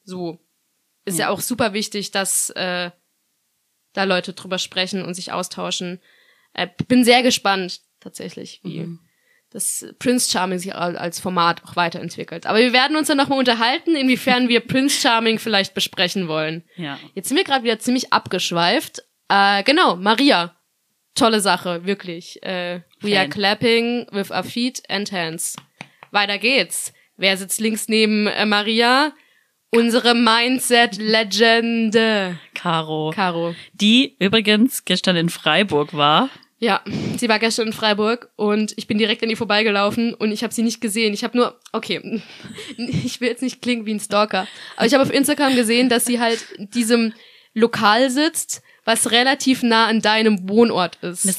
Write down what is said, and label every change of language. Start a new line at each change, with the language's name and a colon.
German: So ist ja auch super wichtig, dass da Leute drüber sprechen und sich austauschen. Bin sehr gespannt tatsächlich, wie das Prince Charming sich als Format auch weiterentwickelt. Aber wir werden uns dann nochmal unterhalten, inwiefern wir Prince Charming vielleicht besprechen wollen. Ja. Jetzt sind wir gerade wieder ziemlich abgeschweift. Genau, Maria. Tolle Sache, wirklich.
English: We are clapping with our feet and hands.
German: Weiter geht's. Wer sitzt links neben Maria? Unsere Mindset-Legende. Caro. Die übrigens gestern in Freiburg war. Ja, sie war gestern in Freiburg und ich bin direkt an ihr vorbeigelaufen und ich habe sie nicht gesehen. Ich habe nur, okay, ich will jetzt nicht klingen wie ein Stalker, aber ich habe auf Instagram gesehen, dass sie halt in diesem Lokal sitzt, was relativ nah an deinem Wohnort ist.